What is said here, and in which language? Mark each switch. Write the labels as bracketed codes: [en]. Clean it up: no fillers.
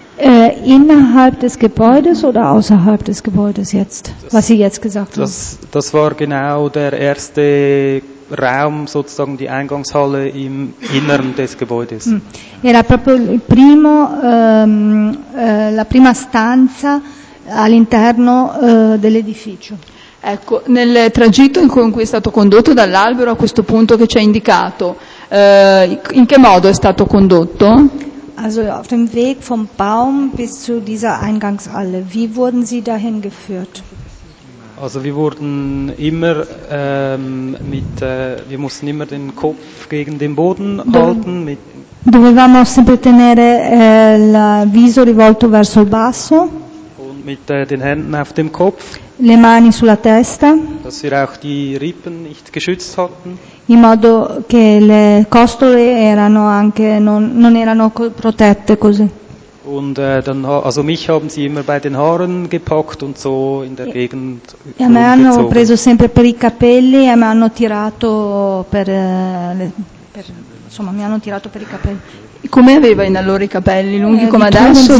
[de] Innerhalb des Gebäudes oder außerhalb des Gebäudes jetzt, was Sie jetzt gesagt haben? Das war genau der erste Raum, sozusagen die Eingangshalle im Inneren des Gebäudes. [it] Era proprio il primo, la prima stanza all'interno dell'edificio. Ecco, nel tragitto in cui è stato condotto dall'albero a questo punto che ci ha indicato, in che modo è stato condotto? [de] Also auf dem Weg vom Baum bis zu dieser Eingangshalle, wie wurden Sie dahin geführt? Also wir wurden immer wir mussten immer den Kopf gegen den Boden halten. [it] Dovevamo sempre tenere il viso rivolto verso il basso. [de] Und mit den Händen auf dem Kopf. [it] Le mani sulla testa. [de] Dass wir auch die Rippen nicht geschützt hatten. [it] In modo che le costole erano anche non erano protette così. [de] Und dann, also mich haben sie immer bei den Haaren gepackt und so in der Gegend. [it] E mi hanno preso sempre per i capelli e mi hanno tirato per i capelli. Come aveva in allora i capelli lunghi come adesso?